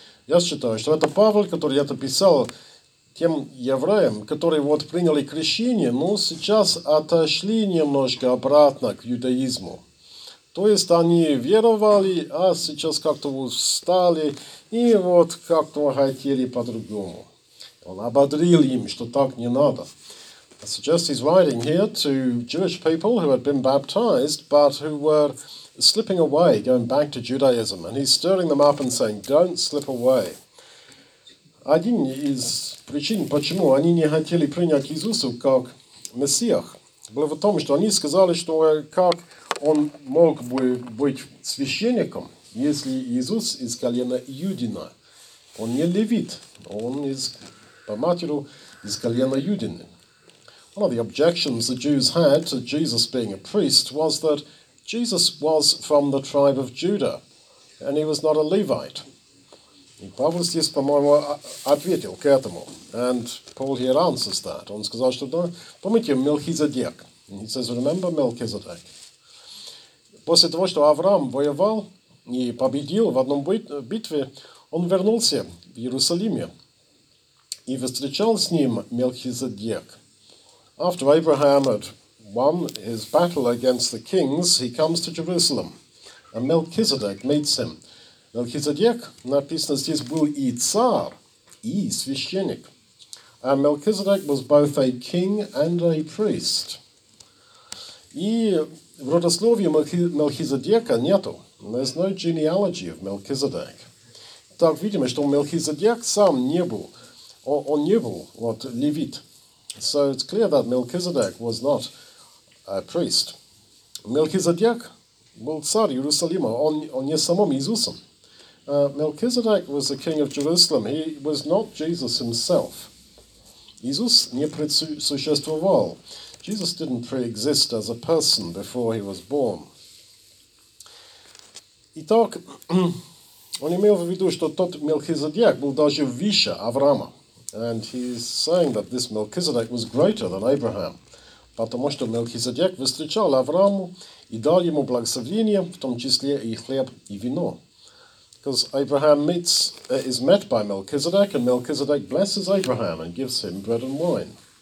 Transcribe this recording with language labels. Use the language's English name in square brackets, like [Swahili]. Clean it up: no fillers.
[Russian] Я считаю, что это Павел, который это писал тем евреям, которые вот приняли крещение, но сейчас отошли немножко обратно к иудаизму. То есть они веровали, а сейчас как-то устали и вот как-то хотели по-другому. Он ободрил им, что так не надо. Сейчас [English] he's writing here to Jewish people who had been baptized, but who were slipping away, going back to Judaism. And he's stirring them up and saying, don't slip away. [Russian] Один из причин, почему они не хотели принять Иисуса как Мессиях, было в том, что они сказали, что как он мог бы быть священником, если Иисус из колена Юдина. Он не левит, он из по матеру из колена Юдины. [English] One of the objections the Jews had to Jesus being a priest was that Jesus was from the tribe of Judah, and he was not a Levite. [Russian] И Павел здесь, по-моему, ответил к этому. [English] And Paul here answers that. [Russian] Он сказал, что да, помните Мелхизедек. [English] And he says, remember Melchizedek. [Russian] После того, что Авраам воевал и победил в одном битве, он вернулся в Иерусалиме и встречал с ним Мелхизедек. [English] After Abraham had won his battle against the kings, he comes to Jerusalem, and Melchizedek meets him. [Russian] Melchizedek, написано здесь, был и царь, и священник. [English] And Melchizedek was both a king and a priest. [Russian] И в родословии Мелхизедека нету. [English] There's no genealogy of Melchizedek. [Russian] Так, видимо, что Мелхизедек сам не был, он не был, вот, левит. [English] So it's clear that Melchizedek was not a priest. [Russian] Melchizedek был царь Иерусалима, он не самим Иисусом. [English] Melchizedek was the king of Jerusalem. He was not Jesus himself. [Russian] Иисус не предсуществовал. [English] Jesus didn't pre-exist as a person before he was born. [Russian] Итак, он имел в виду, что тот Мелхизедек был даже выше Авраама. [English] And he's saying that this Melchizedek was greater than Abraham. [Russian] Потому что Мелхизедек встречал Авраама и дал ему благословение, в том числе и хлеб, и вино. [English] Because Abraham is met by Melchizedek, and Melchizedek blesses Abraham and gives him bread and wine.